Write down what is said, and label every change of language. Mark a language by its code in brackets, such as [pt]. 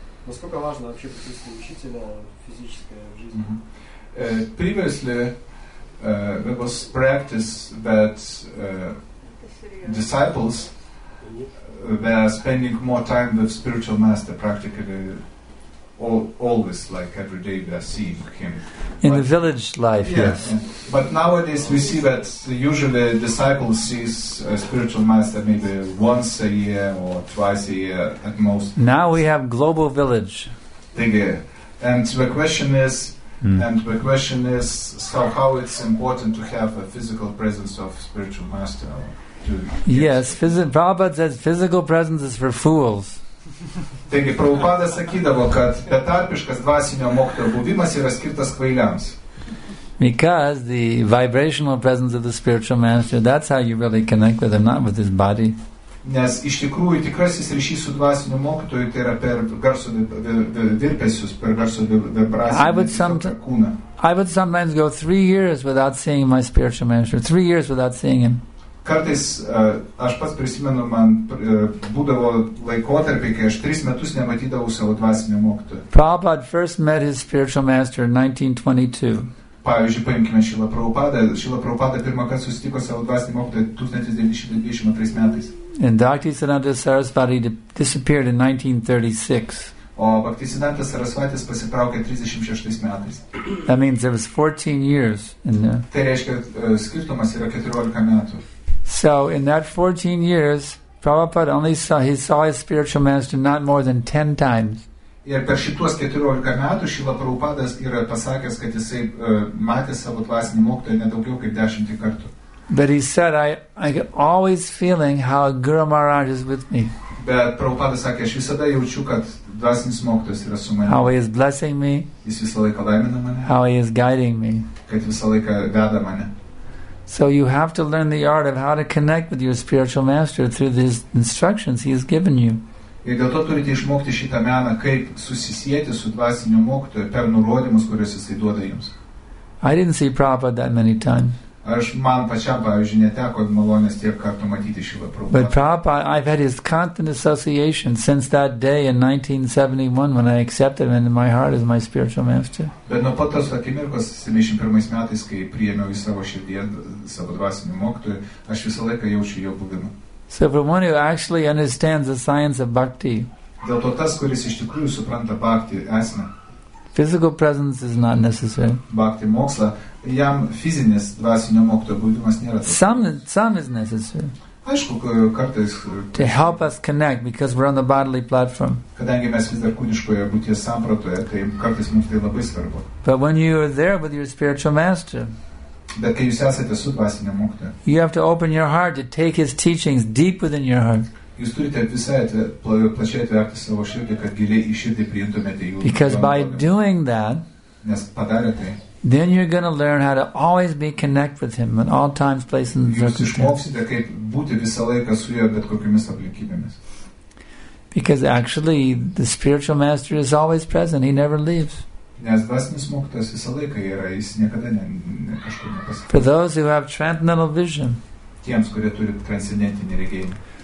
[ru] Насколько важно вообще присутствие учителя физическое в жизни? [en] Previously, there was practice that disciples were spending more time with spiritual master practically always, like every day they are seeing him. In the village life, yeah, yes. But nowadays we see that usually a disciple sees a spiritual master maybe once a year or twice a year at most. Now we have global village. And the question is, so how it's important to have a physical presence of spiritual master? Prabhupada says physical presence is for fools. [lt] Taigi, Prabhupada sakydavo, kad betarpiškas dvasinio mokytojo buvimas yra skirtas kvailiams. [en] Because the vibrational presence of the spiritual master, that's how you really connect with him, not with his body. [lt] Nes iš tikrųjų tikrasis ryšys su dvasiniu mokytoju tai yra per garso virpesius, per garso vibraciją. [en] I would sometimes go 3 years without seeing my spiritual master, 3 years without seeing him. [lt] Kartais aš pats prisimenu, man būdavo laikotarpį, kai aš 3 metus nematydavau savo dvasinio mokytojo. [en] Prabhupada first met his spiritual master in 1922. [lt] Pavyzdžiui, paimkime Šila Prabhupada. Šila Prabhupada pirmą kartą susitiko savo dvasinį mokytoją 1922 metais. [en] And Bhakti Siddhanta Sarasvati disappeared in 1936. [lt] O Bhakti Siddhanta Sarasvati pasitraukė 36 metais. [en] That means there was 14 years in there. [lt] Tai reiškia, skirtumas yra 14 metų. [en] So in that 14 years, Prabhupada only saw his spiritual master not more than 10 times. [lt] Ir per šituos 14 metų Šila Prabhupada yra pasakęs, kad jisai matė savo dvasinį mokytoją ne daugiau kaip 10 kartų. [en] But he said, I always feeling how Guru Maharaj is with me. [lt] Bet Prabhupada sakė, aš visada jaučiu, kad dvasinis mokytojas yra su manimi. [en] How he is blessing me. [lt] Jis visą laiką laimina mane. [en] How he is guiding me. [lt] Kad visą laiką veda mane. [en] So you have to learn the art of how to connect with your spiritual master through these instructions he has given you. [lt] Ir dėl to turite išmokti šitą meną, kaip susisieti su dvasiniu mokytoju per nurodymus, kuriuos jis duoda jums. [en] I didn't see Prabhupada that many times. [lt] Aš man pačiam, pavyzdžiui, neteko malonės tiek kartų matyti Šilą Prabhupadą. [en] But Prabhupada, I've had his constant association since that day in 1971 when I accepted him in my heart as my spiritual master. [lt] Bet nuo pat tos akimirkos 71 metais, kai priėmiau į savo širdį savo dvasinį mokytoją, aš visą laiką jaučiu jo buvimą. [en] So for one who actually understands the science of bhakti. [lt] Dėl to tas, kuris iš tikrųjų supranta bhakti esmę. [en] Physical presence is not necessary. [lt] Bhakti moksla, jam fizinis dvasinio mokytojo buvimas nėra. [en] Some is necessary. [lt] Aišku, kartais. [en] To help us connect because we're on the bodily platform. [lt] Kadangi mes vis dar kūniškoje būties sampratoje, tai kartais mums tai labai svarbu. [en] But when you are there with your spiritual master. [lt] Bet kai jūs esate su dvasinio mokytojo. [en] You have to open your heart to take his teachings deep within your heart. [lt] Jūs turite visai plačiai atverti savo širdį, kad giliai į širdį priimtumėte jų. [en] Because by doing that, [lt] nes padarė tai, [en] then you're going to learn how to always be connected with him in all times, places, and circumstances. [lt] Jūs išmoksite, kaip būti visą laiką su juo, bet kokiamis aplinkybėmis. [en] Because actually, the spiritual master is always present, he never leaves. [lt] Nes dvasinis mokytojas visą laiką yra, jis niekada kažkur nepasikeis. [en] For those who have transcendental vision, [lt] tiems, kurie turi transcendentinį regėjimą,